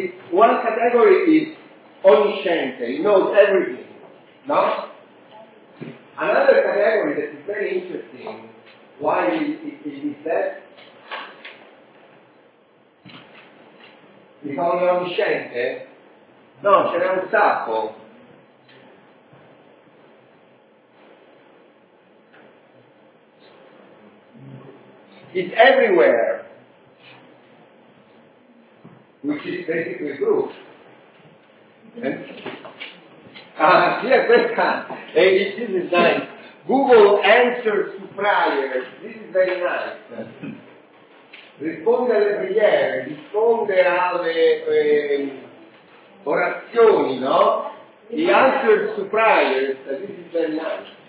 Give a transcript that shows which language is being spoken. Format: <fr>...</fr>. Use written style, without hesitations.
<en>one category is omniscient, he knows everything, no? Another category that is very interesting, why it is that?</en> <it>Diciamo che è onnisciente? No, ce n'è un sacco.</it> <en>It's everywhere. Which is basically true.</en> <it>Sia questa.</it> <en>Hey, this is nice. Google answers to prayers. This is very nice.</en> <it>Risponde alle preghiere, risponde alle orazioni, no?</it> <en>The answer to prayers, this is very nice.</en>